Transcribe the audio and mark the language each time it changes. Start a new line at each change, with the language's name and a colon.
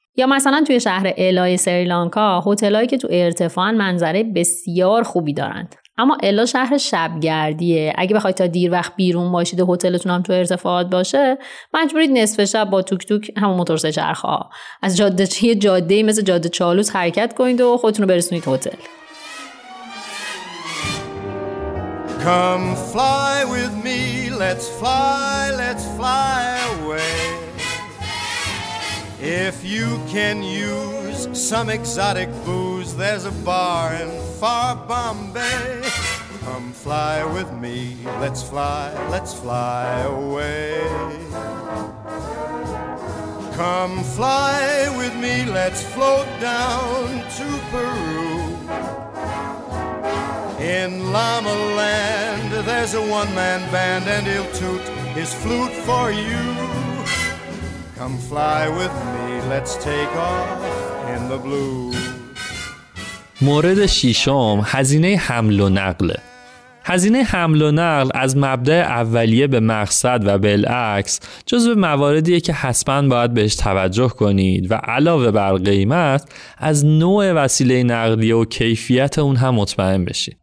Persian: یا مثلا توی شهر الای سریلانکا هتلایی که تو ارتفاع منظره بسیار خوبی دارند، اما الا شهر شبگردیه، اگه بخواید تا دیر وقت بیرون باشید و هتلتون هم تو ارتفاعات باشه، مجبورید نصف شب با توک توک همون موتور سه چرخا از جاده چه جاده‌ای مثل جاده چالوس حرکت کنید و خودتون رو برسونید هتل.
English: Come fly with me, let's fly away. If you can use some exotic booze, there's a bar in far Bombay. Come fly with me, let's fly away. Come fly with me, let's float down to Peru. In Llama Land, there's a one-man band, and he'll toot his flute for you. Come fly with me, let's take off in the blue.
Persian: مورد ششم، هزینه حمل و نقل. هزینه حمل و نقل از مبدأ اولیه به مقصد و بالعکس جزو مواردیه که حتماً باید بهش توجه کنید و علاوه بر قیمت از نوع وسیله نقلیه و کیفیت اون هم مطمئن بشید.